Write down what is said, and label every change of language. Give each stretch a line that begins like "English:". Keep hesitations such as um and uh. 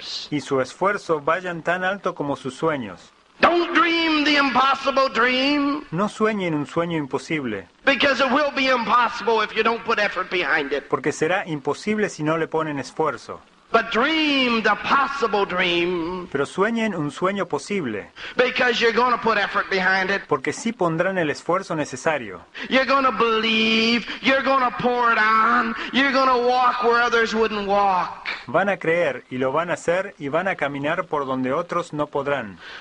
Spanish: y su esfuerzo vayan tan alto como sus sueños.
English: Don't dream the impossible dream.
Spanish: No sueñen un sueño imposible.
English: Because it will be impossible if you don't put effort behind it.
Spanish: Porque será imposible si no le ponen esfuerzo.
English: But dream the possible dream.
Spanish: Pero sueñen un sueño posible.
English: Because you're going to put effort behind it.
Spanish: Porque sí pondrán el esfuerzo necesario.
English: You're going to believe, you're going to pour it on, you're going to walk where others wouldn't walk.
Spanish: van a creer y lo van a hacer y van a caminar por donde otros no podrán.